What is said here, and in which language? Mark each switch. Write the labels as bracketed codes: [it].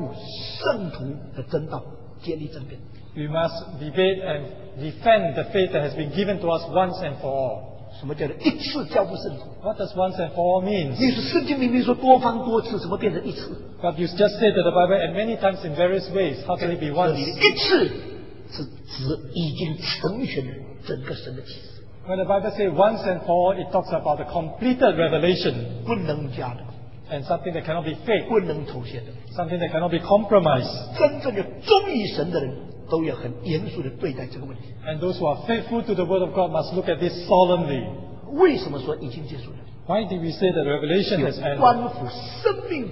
[zh] 要为一次交付圣徒的真道建立争辩, [en] we must debate and defend the faith that has been given to us once and for all. [zh] 什么叫做一次交付圣徒? [en] What does once and for all means? [zh] 你说圣经明明说多方多次, 怎么变成一次? [en] But you just said that the Bible and many times in various ways, how can it be once? [zh] 一次是指已经成全整个神的启示, [en] when the Bible says once and for all, it talks about the completed revelation, [zh] 不能加的, [en] and something that cannot be faked, [zh] 不能妥协的, [en] something that cannot be compromised. [zh] 真正的忠于神的人, 都要很严肃地对待这个问题, [en] and those who are faithful to the word of God must look at this solemnly. [zh] 为什么说已经结束了? [en] Why did we say that revelation has ended?